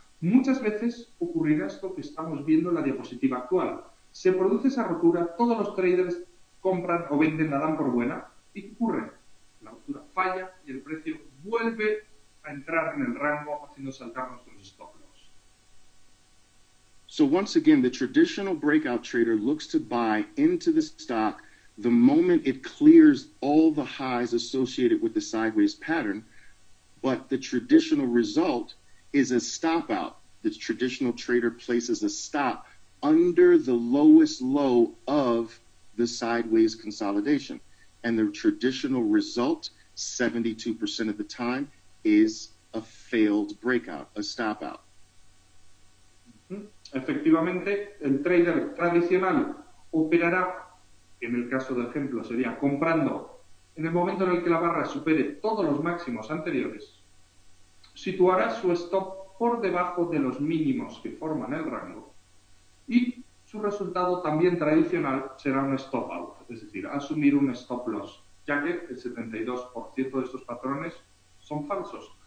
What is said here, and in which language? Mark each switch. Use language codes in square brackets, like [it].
[es] Muchas veces ocurrirá esto que estamos viendo en la diapositiva actual. Se produce esa rotura, todos los traders compran o venden, la dan por buena, y ¿qué ocurre? La rotura falla y el precio vuelve a entrar en el rango haciendo saltar nuestros stops. [en] So once again, the traditional breakout trader looks to buy into the stock the moment it clears all the highs associated with the sideways pattern, but the traditional result is a stop out. The traditional trader places a stop under the lowest low of the sideways consolidation. And the traditional result, 72% of the time, is a failed breakout, a stop out. [es] Efectivamente, el trader tradicional operará, en el caso de ejemplo sería comprando, en el momento en el que la barra supere todos los máximos anteriores, situará su stop por debajo de los mínimos que forman el rango y su resultado también tradicional será un stop out, es decir, asumir un stop loss, ya que el 72% de estos patrones son falsos.